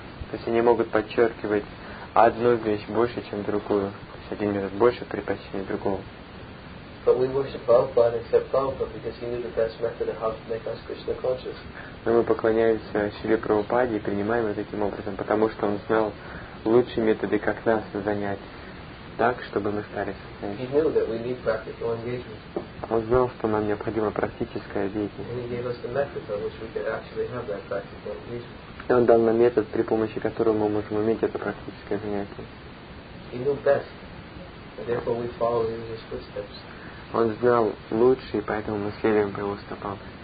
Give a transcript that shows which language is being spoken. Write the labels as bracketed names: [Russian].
[Russian] То есть они могут подчеркивать одну вещь больше, чем другую. То есть один метод больше предпочтения другого. [English] But we worship Prabhupada except Prabhupada because he knew the best method of how to make us Krishna conscious. [Russian] Но мы поклоняемся Шри Прабхупаде и принимаем его таким образом, потому что он знал лучшие методы, как нас занять так, чтобы мы стали сознанием. [English] He knew that we need practical engagement. [Russian] Он знал, что нам необходима практическая деятельность. [English] And he gave us the method by which we could actually have that practical engagement. [Russian] И он дал нам метод, при помощи которого мы можем иметь это практическое занятие. [English] He knew best, and therefore we follow in his footsteps. [Russian] Он знал лучше, и поэтому мы следуем его стопам.